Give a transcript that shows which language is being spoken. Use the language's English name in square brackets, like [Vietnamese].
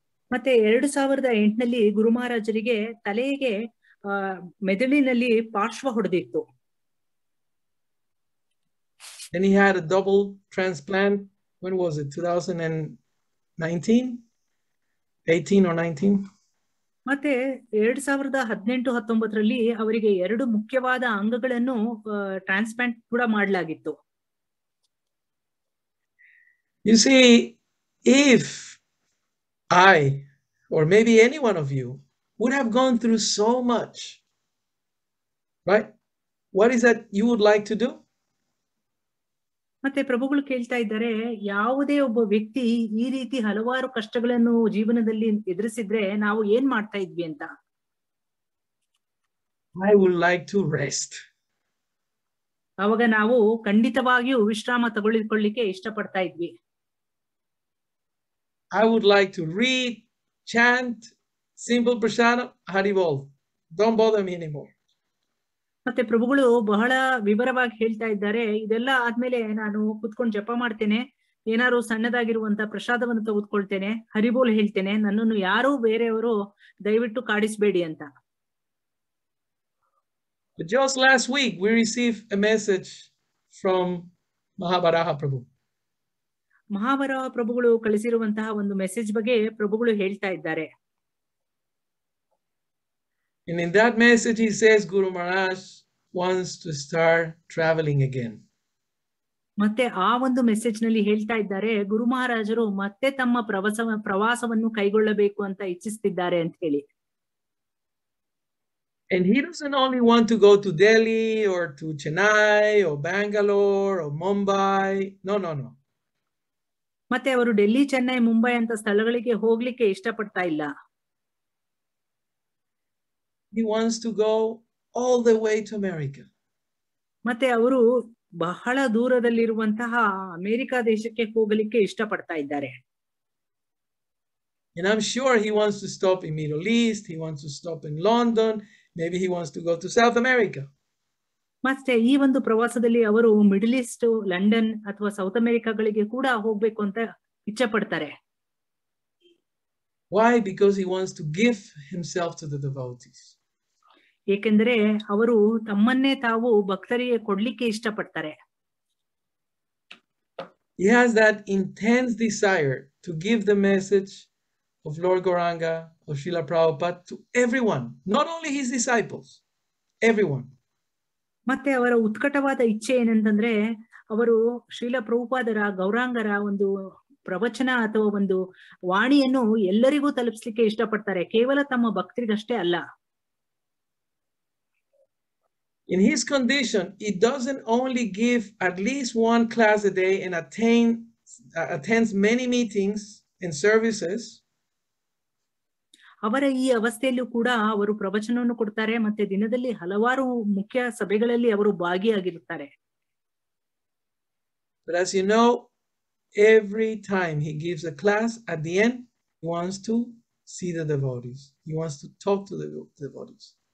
[Kannada] ಮತ್ತೆ 2008ನಲ್ಲಿ ಗುರು ಮಹಾರಾಜರಿಗೆ ತಲೆಗೆ ಮೆದುಳಿನಲ್ಲಿ ಪಾರ್ಶ್ವ ಹೊಡೆದಿತ್ತು. [English] Then he had a double transplant. When was it? 2019? 18 or 19? [Kannada] ಮತ್ತೆ 2018-19ರಲ್ಲಿ ಅವರಿಗೆ ಎರಡು ಮುಖ್ಯವಾದ ಅಂಗಗಳನ್ನು ಟ್ರಾನ್ಸ್ಪ್ಲಾಂಟ್ ಕೂಡ ಮಾಡಲಾಗಿತ್ತು. [English] You see, if I, or maybe any one of you, would have gone through so much, right? What is that you would like to do? [Kannada] ಮತ್ತೆ ಪ್ರಭುಗಳು ಕೇಳ್ತಾ ಇದ್ದಾರೆ, ಯಾವುದೇ ಒಬ್ಬ ವ್ಯಕ್ತಿ ಈ ರೀತಿ ಹಲವಾರು ಕಷ್ಟಗಳನ್ನು ಜೀವನದಲ್ಲಿ ಎದುರಿಸಿದ್ರೆ ನಾವು ಏನ್ ಮಾಡ್ತಾ ಇದ್ವಿ ಅಂತ. [English] I would like to rest. [Kannada] ಅವಾಗ ನಾವು ಖಂಡಿತವಾಗಿಯೂ ವಿಶ್ರಾಮ ತಗೊಳ್ಳಿಕೊಳ್ಳಿಕ್ಕೆ ಇಷ್ಟಪಡ್ತಾ ಇದ್ವಿ. [English] I would like to read, chant, simple prasadam, Haribol. Don't bother me anymore. [Kannada] ಮತ್ತೆ ಪ್ರಭುಗಳು ಬಹಳ ವಿವರವಾಗಿ ಹೇಳ್ತಾ ಇದ್ದಾರೆ, ಇದೆಲ್ಲ ಆದ್ಮೇಲೆ ನಾನು ಕುತ್ಕೊಂಡು ಜಪ ಮಾಡ್ತೇನೆ, ಏನಾರು ಸಣ್ಣದಾಗಿರುವಂತ ಪ್ರಸಾದವನ್ನು ತೆಗೆದುಕೊಳ್ತೇನೆ, ಹರಿಬೋಲ್ ಹೇಳ್ತೇನೆ, ನನ್ನನ್ನು ಯಾರು ಬೇರೆಯವರು ದಯವಿಟ್ಟು ಕಾಡಿಸಬೇಡಿ ಅಂತ. [English] Just last week we received a message from Mahabharaha Prabhu. [Kannada] ಮಹಾಬರಹ ಪ್ರಭುಗಳು ಕಳಿಸಿರುವಂತಹ ಒಂದು ಮೆಸೇಜ್ ಬಗ್ಗೆ ಪ್ರಭುಗಳು ಹೇಳ್ತಾ ಇದ್ದಾರೆ. [English] And in that message, he says Guru Maharaj wants to start traveling again. [Kannada] ಮತ್ತೆ ಆ ಒಂದು ಮೆಸೇಜ್ ನಲ್ಲಿ ಹೇಳ್ತಾ ಇದ್ದಾರೆ, ಗುರು ಮಹಾರಾಜರು ಮತ್ತೆ ತಮ್ಮ ಪ್ರವಾಸವನ್ನು ಕೈಗೊಳ್ಳಬೇಕು ಅಂತ ಇಚ್ಛಿಸುತ್ತಿದ್ದಾರೆ ಅಂತ ಹೇಳಿ. [English] And he doesn't only want to go to Delhi or to Chennai or Bangalore or Mumbai. No, no, no. [Kannada] ಮತ್ತೆ ಅವರು ಡೆಲ್ಲಿ ಚೆನ್ನೈ ಮುಂಬೈ ಅಂತ ಸ್ಥಳಗಳಿಗೆ ಹೋಗ್ಲಿಕ್ಕೆ ಇಷ್ಟಪಡ್ತಾ ಇಲ್ಲ. [English] He wants to go all the way to America. [Kannada] ಮತ್ತೆ ಅವರು ಬಹಳ ದೂರದಲ್ಲಿರುವಂತಹ ಅಮೆರಿಕ ದೇಶಕ್ಕೆ ಹೋಗಲಿಕ್ಕೆ ಇಷ್ಟಪಡ್ತಾ ಇದ್ದಾರೆ. [English] And I'm sure he wants to stop in Middle East, he wants to stop in London, maybe he wants to go to South America. [Kannada] ಮತ್ತೆ ಈ ಒಂದು ಪ್ರವಾಸದಲ್ಲಿ ಅವರು ಮಿಡಲ್ ಈಸ್ಟ್, ಲಂಡನ್ ಅಥವಾ ಸೌತ್ ಅಮೆರಿಕಾಗಳಿಗೆ ಕೂಡ ಹೋಗ್ಬೇಕು ಅಂತ ಇಚ್ಛೆ ಪಡ್ತಾರೆ. [English] Why? Because he wants to give himself to the devotees. [Kannada] ಏಕೆಂದರೆ ಅವರು ತಮ್ಮನ್ನೇ ತಾವು ಭಕ್ತರಿಗೆ ಕೊಡ್ಲಿಕ್ಕೆ ಇಷ್ಟಪಡ್ತಾರೆ. [English] He has that intense desire to give the message of Lord Gauranga, of Srila Prabhupada to everyone, not only his disciples, everyone. [Kannada] ಮತ್ತೆ ಅವರ ಉತ್ಕಟವಾದ ಇಚ್ಛೆ ಏನಂತಂದ್ರೆ, ಅವರು ಶ್ರೀಲ ಪ್ರಭುಪಾದರ, ಗೌರಾಂಗರ ಒಂದು ಪ್ರವಚನ ಅಥವಾ ಒಂದು ವಾಣಿಯನ್ನು ಎಲ್ಲರಿಗೂ ತಲುಪಿಸ್ಲಿಕ್ಕೆ ಇಷ್ಟಪಡ್ತಾರೆ, ಕೇವಲ ತಮ್ಮ ಭಕ್ತರಿಗಷ್ಟೇ ಅಲ್ಲ. [English] In his condition, he doesn't only give at least one class a day and attends many meetings and services. [Kannada] ಅವರ ಈ ಅವಸ್ಥೆಯಲ್ಲೂ ಕೂಡ ಅವರು ಪ್ರವಚನವನ್ನು ಕೊಡ್ತಾರೆ ಮತ್ತೆ ದಿನದಲ್ಲಿ ಹಲವಾರು ಮುಖ್ಯ ಸಭೆಗಳಲ್ಲಿ ಅವರು ಭಾಗಿಯಾಗಿರುತ್ತಾರೆ. [English] But as you know, every time he gives a class, at the end, he wants to see the devotees. He wants to talk to the devotees.